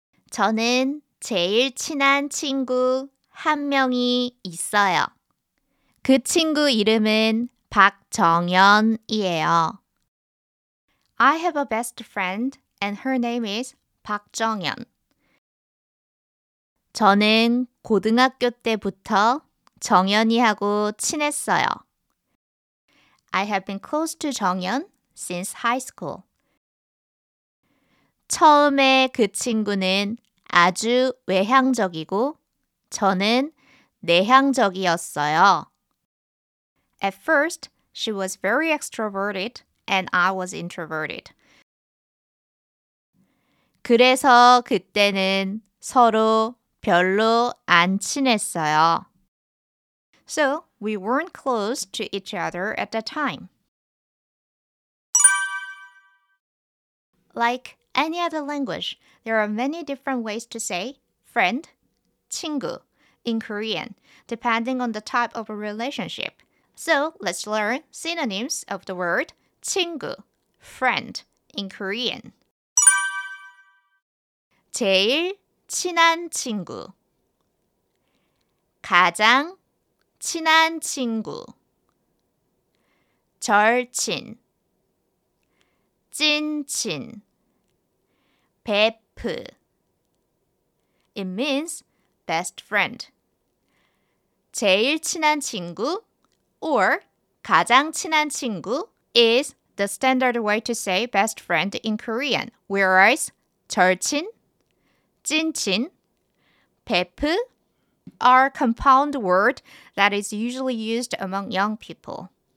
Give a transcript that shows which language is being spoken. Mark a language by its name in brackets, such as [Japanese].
[Korean] 저는 제일 친한 친구 한 명이 있어요. 그 친구 이름은 박정연이에요. [English] I have a best friend and her name is 박정연. [Korean] 저는 고등학교 때부터 정연이하고 친했어요. [English] I have been close to 정연 since high school. [Korean] 처음에 그 친구는 아주 외향적이고 저는 내향적이었어요. [English] At first, she was very extroverted and I was introverted. [Korean] 그래서 그때는 서로 별로 안 친했어요. [English] So, we weren't close to each other at the time. Like any other language, there are many different ways to say friend, 친구 in Korean, depending on the type of a relationship. So, let's learn synonyms of the word 친구, friend, in Korean. [Korean] 제일 친한 친구 가장 친한 친구 절친 찐친 베프 [English] It means best friend. [Korean] 제일 친한 친구 or 가장 친한 친구 [English] is the standard way to say best friend in Korean, whereas 절친, 찐친, 베프 are compound word that is usually used among young people.